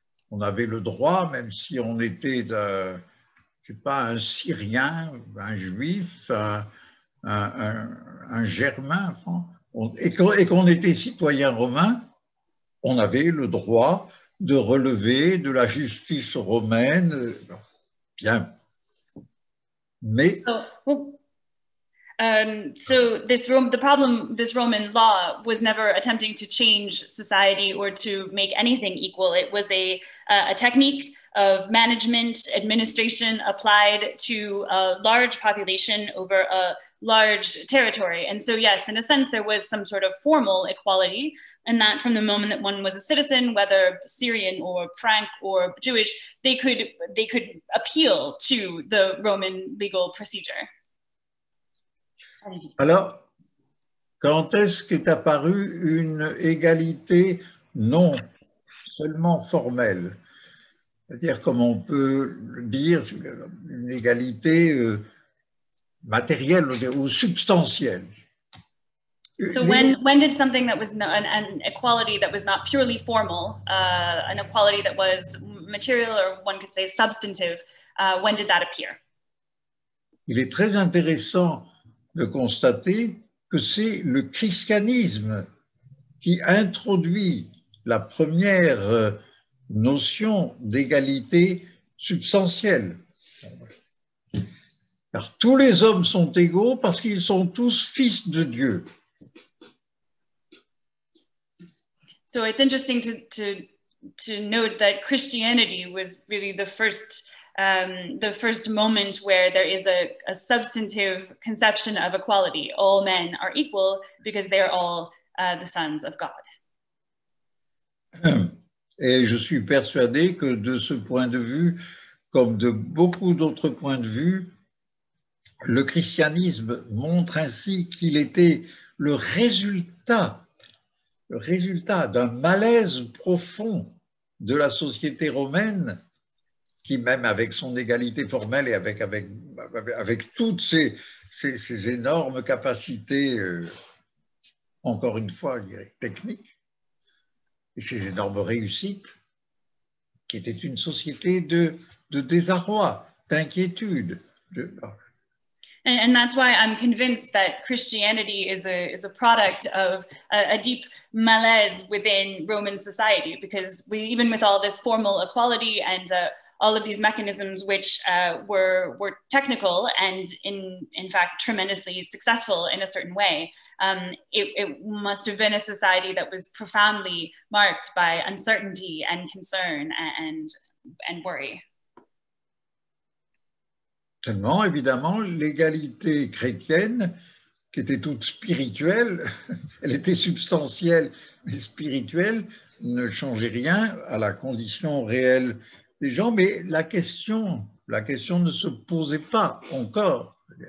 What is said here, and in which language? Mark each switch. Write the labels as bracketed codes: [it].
[fr] On avait le droit, même si on était, un Syrien, un Juif, un germain, et qu'on était citoyen romain, on avait le droit de relever de la justice romaine, bien. Mais. [en] The problem, this Roman law was never attempting to change society or to make anything equal. It was a technique of management, administration applied to a large population over a large territory. And so, yes, in a sense, there was some sort of formal equality, and that from the moment that one was a citizen, whether Syrian or Frank or Jewish, they could appeal to the Roman legal procedure. [fr] Alors, quand est-ce qu'est apparue une égalité non seulement formelle? C'est-à-dire, comme on peut le dire, une égalité matérielle ou substantielle. [en] So when did something that was not, an equality that was not purely formal, an equality that was material or one could say substantive, when did that appear? [fr] Il est très intéressant de constater que c'est le christianisme qui introduit la première notion d'égalité substantielle. Car tous les hommes sont égaux parce qu'ils sont tous fils de Dieu. [en] So it's interesting to note that Christianity was really the first moment where there is a substantive conception of equality. All men are equal because they are all the sons of God. [fr] Et je suis persuadé que de ce point de vue, comme de beaucoup d'autres points de vue, le christianisme montre ainsi qu'il était le résultat résultat d'un malaise profond de la société romaine, qui même avec son égalité formelle et avec toutes ces énormes capacités, encore une fois, je dirais, techniques, et ces énormes réussites, qui était une société de désarroi, d'inquiétude. [en] And that's why I'm convinced that Christianity is a product of a deep malaise within Roman society, because we, even with all this formal equality and all of these mechanisms, which were technical and in fact tremendously successful in a certain way, it must have been a society that was profoundly marked by uncertainty and concern and worry. [fr] Seulement, évidemment, l'égalité chrétienne, qui était toute spirituelle, elle était substantielle, mais spirituelle, ne changeait rien à la condition réelle des gens. Mais la question ne se posait pas encore.